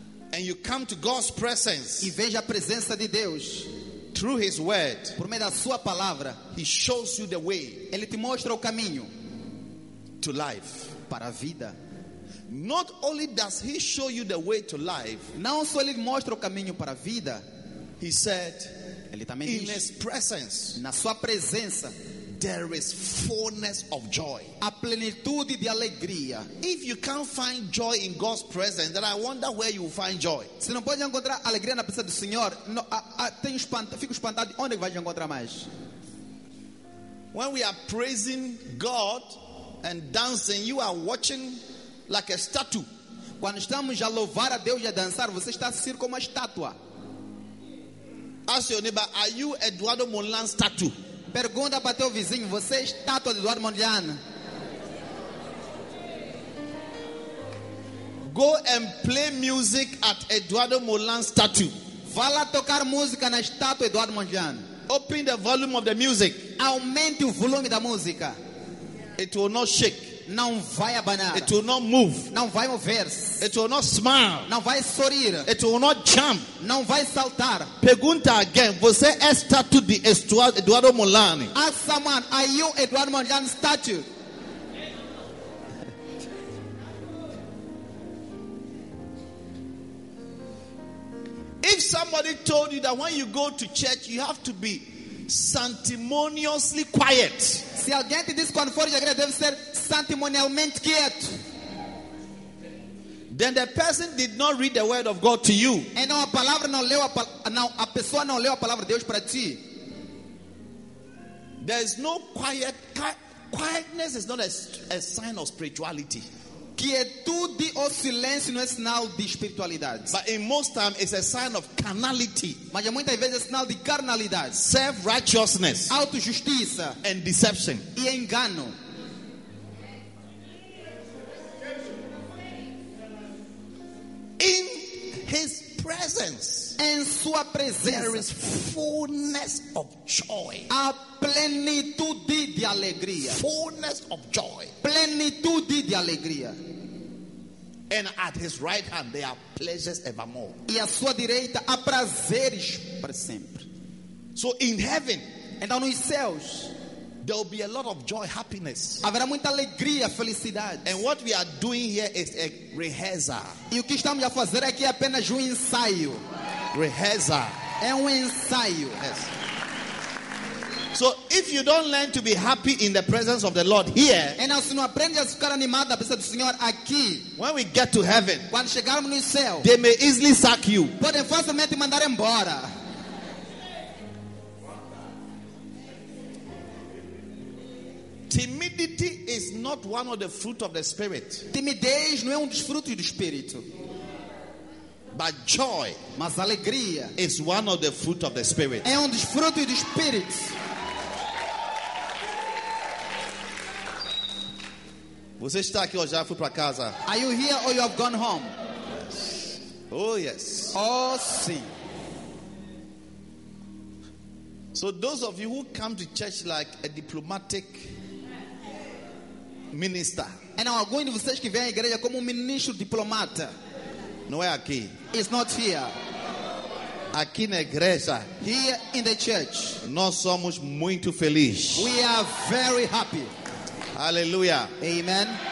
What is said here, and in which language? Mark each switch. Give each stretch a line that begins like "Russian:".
English: and you come to God's presence,
Portuguese: e veja a presença de Deus,
English: through his word,
Portuguese: por meio da sua palavra,
English: he shows you the way,
Portuguese: ele te mostra o caminho,
English: to life,
Portuguese: para a vida.
English: Not only does he show you the way to life,
Portuguese: não só ele mostra o caminho para a vida,
English: he said,
Portuguese: ele também
English: in
Portuguese: diz,
English: his presence,
Portuguese: na sua presença,
English: there is fullness of joy.
Portuguese: A plenitude de alegria.
English: If you can't find joy in God's presence, then I wonder where you will find joy.
Portuguese: Se não pode encontrar alegria na presença do Senhor, fico espantado, onde vai encontrar mais?
English: When we are praising God and dancing, you are watching like a statue.
Portuguese: Quando estamos a louvar a Deus e a dançar, você está a ser como uma estátua.
English: Ask your neighbor, are you Eduardo Molan statue?
Portuguese: Pergunta para teu vizinho, você é estátua de Eduardo Mondlane?
English: Go and play music at Eduardo Mondlane statue.
Portuguese: Vá lá tocar música na estátua de Eduardo Mondlane.
English: Open the volume of the music.
Portuguese: Aumente o volume da música.
English: It will not shake.
Portuguese: Não vai abanar.
English: It will not move.
Portuguese: Não vai mover-se.
English: It will not smile.
Portuguese: Não vai sorrir.
English: It will not jump.
Portuguese: Não vai saltar. Pergunta
English: again.
Portuguese: Você é estátua de Eduardo Molani?
English: Ask someone. Are you Eduardo Molani statue? Yes. somebody told you that when you go to church, you have to be sanctimoniously quiet.
Portuguese: Se alguém te disse quando for de igreja deve ser santimonialmente quieto.
English: Then the person did not read the word of God to you.
Portuguese: E não a palavra não leu a não a pessoa não leu a palavra de Deus para ti.
English: There is no quiet. Quietness is not a sign of spirituality.
Portuguese: Quietude ou silêncio não é sinal de espiritualidade.
English: But in most time it's a sign of carnality.
Portuguese: Mas muitas vezes é sinal de carnalidade.
English: Self righteousness.
Portuguese: Autojustiça.
English: And deception.
Portuguese: E engano.
English: In his presence,
Portuguese: em sua presença,
English: there is fullness of joy.
Portuguese: A plenitude de alegria.
English: Fullness of joy.
Portuguese: Plenitude de alegria.
English: And at his right hand there are pleasures evermore.
Portuguese: E à sua direita há prazeres para sempre.
English: So in heaven,
Portuguese: então nos céus,
English: there will be a lot of joy, happiness.
Portuguese: Haverá muita alegria, felicidade.
English: And what we are doing here is a rehearsal.
Portuguese: E o que estamos a fazer aqui é apenas ensaio.
English: Rehearsal.
Portuguese: É ensaio.
English: Yes. So if you don't learn to be happy in the presence of the Lord here,
Portuguese: então se não aprende a ficar animado na presença do Senhor aqui,
English: when we get to heaven,
Portuguese: quando chegarmos no céu,
English: they may easily sack you.
Portuguese: Podem facilmente mandar embora.
English: Timidity is not one of the fruit of the spirit.
Portuguese: Timidez não é dos frutos do espírito.
English: But joy,
Portuguese: mas alegria,
English: is one of the fruit of the spirit.
Portuguese: É dos frutos do espírito. Você está aqui ou já foi para casa?
English: Are you here or you have gone home? Yes. Oh yes.
Portuguese: Oh sim.
English: So those of you who come to church like a diplomatic minister.
Portuguese: E não, alguns de vocês que vêm à igreja como ministro diplomata. Não é aqui.
English: It's not here.
Portuguese: Aqui na igreja.
English: Here in the church.
Portuguese: Nós somos muito felizes.
English: We are very happy. Hallelujah. Amen.